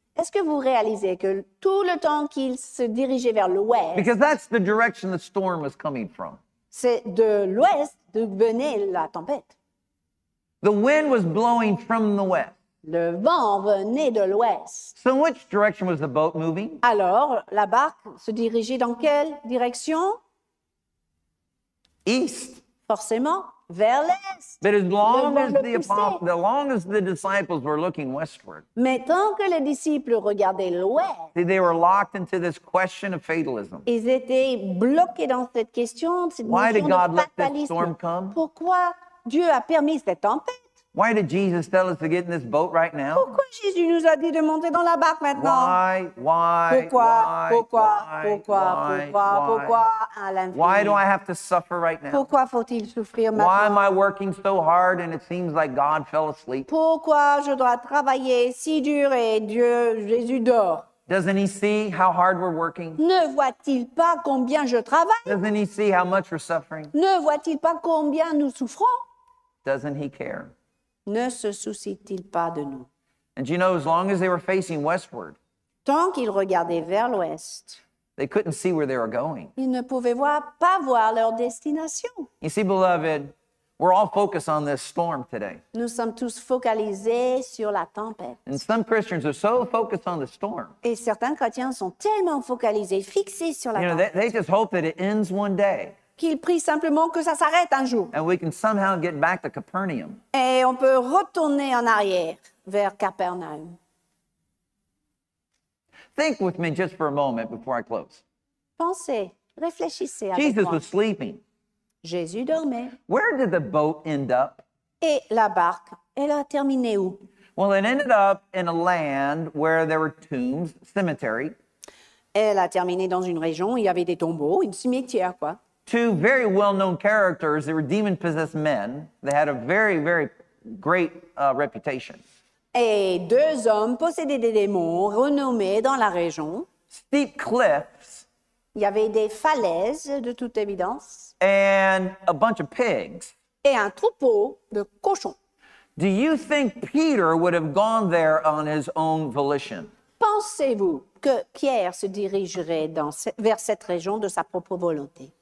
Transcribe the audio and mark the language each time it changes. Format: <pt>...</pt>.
<fr>Est-ce que vous réalisez que tout le temps qu'ils se dirigeaient vers l'ouest?</fr> <en>Because that's the direction the storm was coming from.</en> <fr>C'est de l'ouest que venait la tempête.</fr> <en>The wind was blowing from the west.</en> <fr>Le vent venait de l'ouest.</fr> <en>So in which direction was the boat moving?</en> <fr>Alors, la barque se dirigeait dans quelle direction?</fr> <en>East.</en> <fr>Forcément, vers l'est.</fr> <en>But as long as the disciples were looking westward.</en> <fr>Mais tant que les disciples regardaient l'ouest.</fr> <en>They were locked into this question of fatalism.</en> <fr>Ils étaient bloqués dans cette question, cette notion de fatalisme.</fr> <en>Why did God let this storm come?</en> <fr>Pourquoi Dieu a permis cette tempête?</fr> <en>Why did Jesus tell us to get in this boat right now?</en> <fr>Pourquoi Jésus nous a dit de monter dans la barque maintenant?</fr> <en>Why do I have to suffer right now?</en> <fr>Pourquoi faut-il souffrir maintenant?</fr> <en>Why am I working so hard and it seems like God fell asleep?</en> <fr>Pourquoi je dois travailler si dur et Dieu Jésus dort?</fr> <en>Doesn't he see how hard we're working?</en> <fr>Ne voit-il pas combien je travaille?</fr> <en>Doesn't he see how much we're suffering?</en> <fr>Ne voit-il pas combien nous souffrons?</fr> <en>Doesn't he care?</en> <fr>Ne se soucie-t-il pas de nous?</fr> <en>And you know, as long as they were facing westward,</en> <fr>tant qu'ils regardaient vers l'ouest,</fr> <en>they couldn't see where they were going.</en> <fr>Ils ne pouvaient pas voir leur destination.</fr> <en>You see, beloved, we're all focused on this storm today.</en> <fr>Nous sommes tous focalisés sur la tempête.</fr> <en>And some Christians are so focused on the storm.</en> <fr>Et certains chrétiens sont tellement focalisés, fixés sur la tempête.</fr> <en>You know, they just hope that it ends one day.</en> <fr>Qu'il prie simplement que ça s'arrête un jour.</fr> <en>And we can somehow get back to Capernaum.</en> <fr>Et on peut retourner en arrière vers Capernaum.</fr> <en>Think with me just for a moment before I close.</en> <fr>Pensez, réfléchissez avec</fr> <en>Jesus</en> <fr>moi.</fr> <en>Was sleeping.</en> <fr>Jésus dormait.</fr> <en>Where did the boat end up?</en> <fr>Et la barque, elle a terminé où?</fr> <en>Well, it ended up in a land where there were tombs, cemetery.</en> <fr>Elle a terminé dans une région où il y avait des tombeaux, une cimetière, quoi.</fr> <en>Two very well-known characters, they were demon-possessed men. They had a very, very great reputation.</en> <fr>Et deux hommes possédaient des démons renommés dans la région.</fr> <en>Steep cliffs.</en> <fr>Il y avait des falaises, de toute évidence.</fr> <en>And a bunch of pigs.</en> <fr>Et un troupeau de cochons.</fr> <en>Do you think Peter would have gone there on his own volition?</en> <fr>Pensez-vous que Pierre se dirigerait vers cette région de sa propre volonté?</fr>